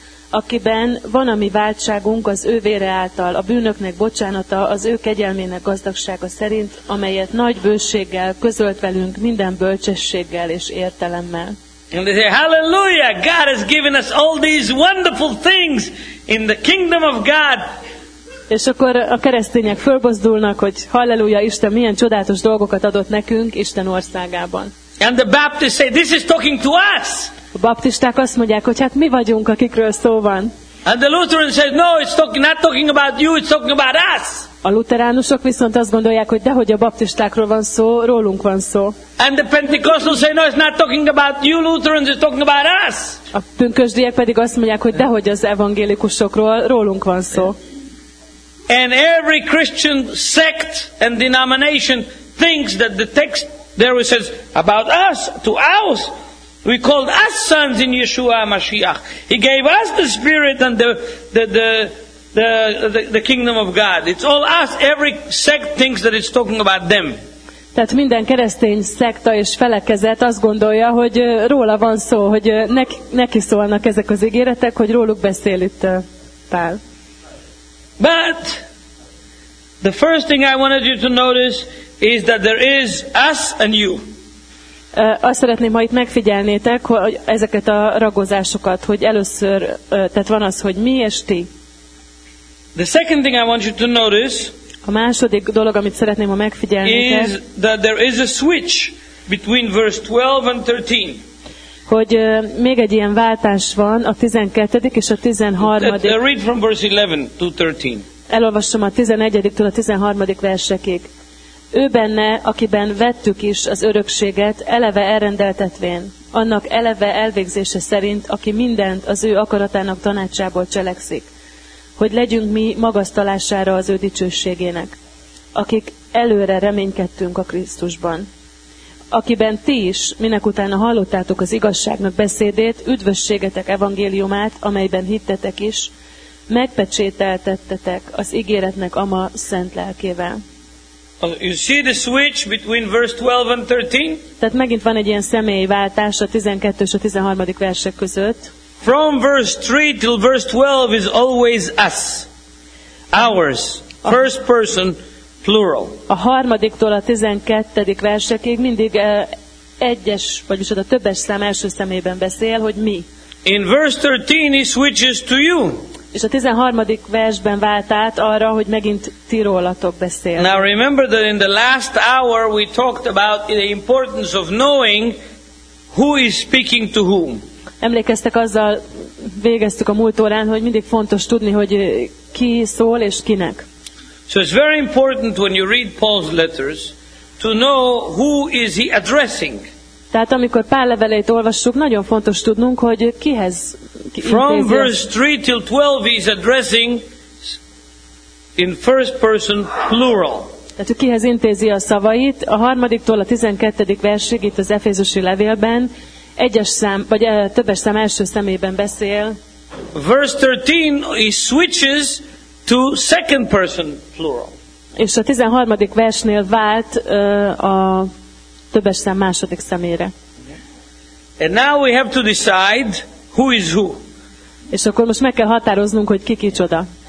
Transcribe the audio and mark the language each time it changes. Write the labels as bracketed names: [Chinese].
[Hungarian] Akiben van a mi váltságunk az ő vére által, a bűnöknek bocsánata az ő kegyelmének gazdagsága szerint, amelyet nagy bőséggel közölt velünk minden bölcsességgel és értelemmel. [English] And they say, "Hallelujah! God has given us all these wonderful things in the kingdom of God." [Hungarian] És akkor a keresztények fölbozdulnak, hogy halleluja, Isten milyen csodálatos dolgokat adott nekünk Isten országában. [English] And the Baptists say, "This is talking to us." [Hungarian] A baptisták azt mondják, hogy hát mi vagyunk, akikről szó van. [English] And the Lutheran says, "No, it's talking, not talking about you, it's talking about us." [Hungarian] A lutheránusok viszont azt gondolják, hogy dehogy a baptistákról van szó, rólunk van szó. [English] And the Pentecostals say, "No, it's not talking about you Lutherans, it's talking about us." [Hungarian] A pünkösdiek pedig azt mondják, hogy dehogy az evangélikusokról, rólunk van szó. [English] And every Christian sect and denomination thinks that the text there which says about us, to us, we called us sons in Yeshua Mashiach. He gave us the Spirit and the kingdom of God. It's all us. Every sect thinks that it's talking about them. [Hungarian] Tehát minden keresztény szekta és felekezet azt gondolja, hogy róla van szó, hogy neki szólnak ezek az ígéretek, hogy róluk beszél itt Pál. [English] But the first thing I wanted you to notice is that there is us and you. [Hungarian] Azt szeretném, ha itt megfigyelnétek, hogy ezeket a ragozásokat, hogy először, tehát van az, hogy mi és ti. [English] The second thing I want you to notice, [Hungarian] a második dolog, amit szeretném, ha megfigyelnétek, [English] is that there is a switch between verse 12 and 13. [Hungarian] Hogy még egy ilyen váltás van a 12. és a 13. [English] Read from verse 11 to 13. [Hungarian] Elolvassam a 11-től a 13. versekig. Ő benne, akiben vettük is az örökséget, eleve elrendeltetvén, annak eleve elvégzése szerint, aki mindent az ő akaratának tanácsából cselekszik, hogy legyünk mi magasztalására az ő dicsőségének, akik előre reménykedtünk a Krisztusban. Akiben ti is, minek utána hallottátok az igazságnak beszédét, üdvösségetek evangéliumát, amelyben hittetek is, megpecsételtettetek az ígéretnek ama szent lelkével. [English] You see the switch between verse 12 and 13? [Hungarian] Tehát megint van egy ilyen személyi váltás a 12 és a 13. versek között. [English] From verse 3 till verse 12 is always us. Ours. First person, plural. [Hungarian] A harmadiktól a 12. versekig mindig egyes, vagyis a többes szám első személyben beszél, hogy mi. [English] In verse 13 he switches to you. [Hungarian] És a 13. versben vált át arra, hogy megint ti rólatok beszél. [English] Now remember that in the last hour we talked about the importance of knowing who is speaking to whom. [Hungarian] Emlékeztek, azzal végeztük a múlt órán, hogy mindig fontos tudni, hogy ki szól és kinek. [English] So it's very important when you read Paul's letters to know who is he addressing. [Hungarian] Tehát amikor Pál leveleit olvassuk, nagyon fontos tudnunk, hogy kihez intézi. [English] From verse 3 till 12 he's addressing in first person plural. [Hungarian] Tehát kihez intézi a szavait, a harmadiktól a 12. versig itt az Efézusi levélben egyes szám, vagy többes szám első személyben beszél. [English] Verse 13 he switches to second person plural. [Hungarian] És a 13. versnél vált a többes szám második szemére. [English] And now we have to decide who is who. [Hungarian] És akkor most meg kell határoznunk, hogy ki kicsoda.